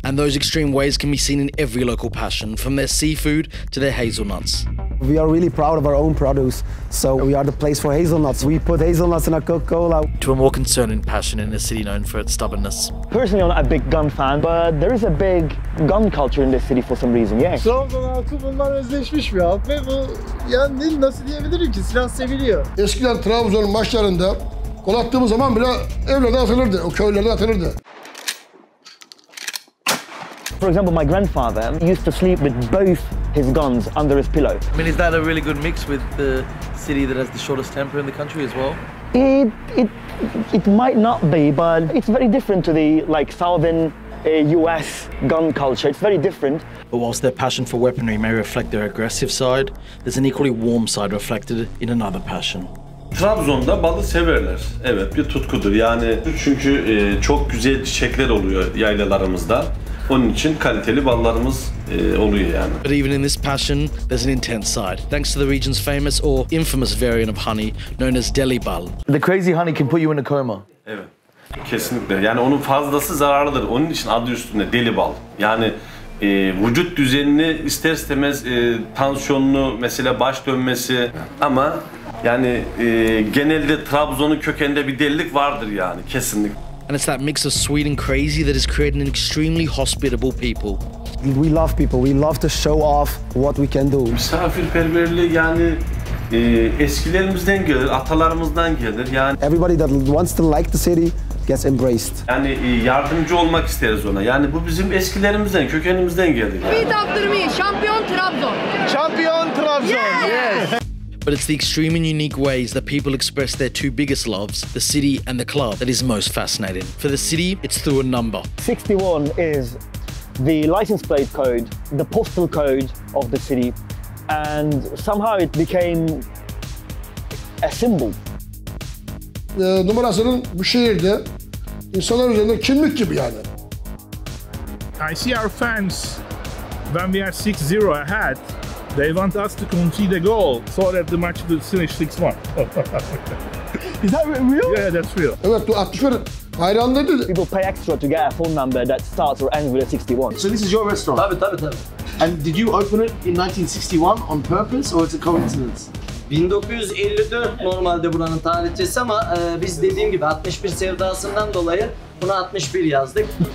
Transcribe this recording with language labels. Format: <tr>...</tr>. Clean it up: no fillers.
<en>And those extreme ways can be seen in every local passion, from their seafood to their hazelnuts. We are really proud of our own produce, so we are the place for hazelnuts. We put hazelnuts in our Coca-Cola. To a more concerning passion in a city known for its stubbornness. Personally, I'm not a big gun fan, but there is a big gun culture in this city for some reason, yeah.</en> <tr>Trabzon halkı bundan özdeşmiş bir halk ve bu, yani nasıl diyebilirim ki, silah seviliyor. Eskiden Trabzon maçlarında gol attığımız zaman bile evlerde atılırdı, o köylerde atılırdı.</tr> <en>For example, my grandfather used to sleep with both his guns under his pillow. I mean, is that a really good mix with the city that has the shortest temper in the country as well? It might not be, but it's very different to the, like, southern US gun culture. It's very different. But whilst their passion for weaponry may reflect their aggressive side, there's an equally warm side reflected in another passion.</en> <tr>Trabzon'da balı severler. Evet, bir tutkudur. Yani çünkü çok güzel çiçekler oluyor yaylalarımızda. Onun için kaliteli ballarımız oluyor yani.</tr> <en>But even in this passion, there's an intense side. Thanks to the region's famous or infamous variant of honey known as deli bal. The crazy honey can put you in a coma.</en> <tr>Evet, kesinlikle. Yani onun fazlası zararlıdır. Onun için adı üstünde deli bal. Yani vücut düzenini ister istemez tansiyonunu, mesela baş dönmesi ama yani genelde Trabzon'un kökeninde bir delilik vardır yani, kesinlikle.</tr> <en>And it's that mix of sweet and crazy that is creating an extremely hospitable people. We love people. We love to show off what we can do.</en> <tr>Misafirperverliği yani eskilerimizden gelir, atalarımızdan gelir. Yani</tr> <en>everybody that wants to like the city gets embraced.</en> <tr>Yani yardımcı olmak isteriz ona. Yani bu bizim eskilerimizden, kökenimizden gelir.</tr> <en>Yani. Beat after me, Champion Trabzon. Champion Trabzon. Yeah. Yes. But it's the extreme and unique ways that people express their two biggest loves, the city and the club, that is most fascinating. For the city, it's through a number. 61 is the license plate code, the postal code of the city, and somehow it became a symbol.</en> <tr>Numarasının bu şehirde insanlar üzerinde kimlik gibi yani.</tr> <en>I see our fans when we are 6-0 ahead. They want us to concede the goal so that the match will finish 6-1. Is that real? Yeah, that's real.</en> <tr>Evet, bu 61. Hayranları.</tr> <en>People pay extra to get a phone number that starts or ends with a 61. So this is your restaurant?</en> <tr>Tabii, tabii, tabii.</tr> <en>And did you open it in 1961 on purpose or it's a coincidence?</en> <tr>1954 normalde buranın tarihçesi ama biz dediğim gibi 61 sevdasından dolayı buna 61 yazdık.</tr>